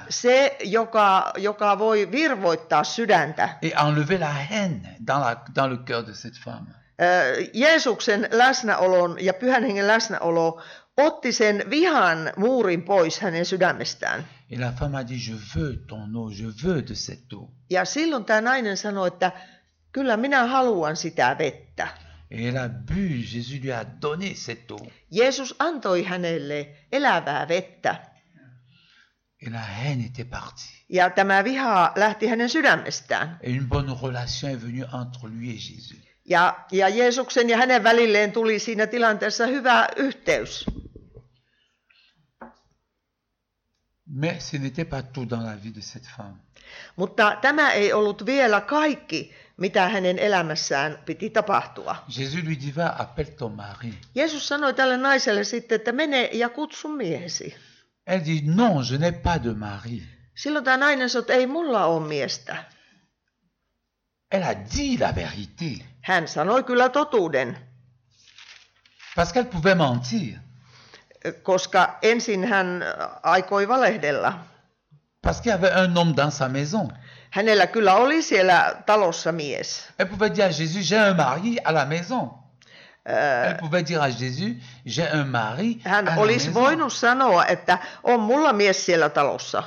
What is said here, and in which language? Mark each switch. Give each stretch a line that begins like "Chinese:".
Finnish: Se, joka voi virvoittaa sydäntä.
French: Et enlever la haine dans le cœur de cette femme.
Finnish: Jeesuksen läsnäolon ja Pyhän Hengen läsnäolo otti sen vihan muurin pois hänen sydämestään.
French: Et la femme a dit, je veux ton eau, je veux de cette eau.
Finnish: Ja silloin tämä nainen sanoi, että kyllä minä haluan sitä vettä.
French: Et elle a bu, Jésus lui a donné cette eau.
Finnish: Jeesus antoi hänelle elävää vettä.
French: Et la haine était partie.
Finnish: Ja tämä viha lähti hänen sydämestään.
French: Et une bonne relation est venue entre lui et Jésus.
Finnish: Ja Jeesuksen ja hänen välilleen tuli siinä tilanteessa hyvä yhteys.
French: Mais ce n'était pas tout dans la vie de cette femme.
Finnish: Mutta tämä ei ollut vielä kaikki, mitä hänen elämässään piti tapahtua.
French: Jésus lui dit, va, appelle ton mari.
Finnish: Jeesus sanoi tälle naiselle sitten, että mene ja kutsu miehesi.
French: Elle dit, non, je n'ai pas de mari.
Finnish: Silloin tämä nainen sanoi, ei mulla ole miestä.
French: Elle a dit la vérité.
Finnish: Hän sanoi kyllä totuuden.
French: Parce qu'elle pouvait mentir.
Finnish: Koska ensin hän aikoi valehdella.
French: Parce qu'il y avait un homme dans sa maison.
Finnish: Hänellä kyllä oli siellä talossa mies.
French: Elle pouvait dire à Jésus, j'ai un mari à la maison. Elle pouvait dire à Jésus, j'ai un mari à la maison.
Finnish: Hän olisi voinut sanoa, että on mulla mies siellä talossa.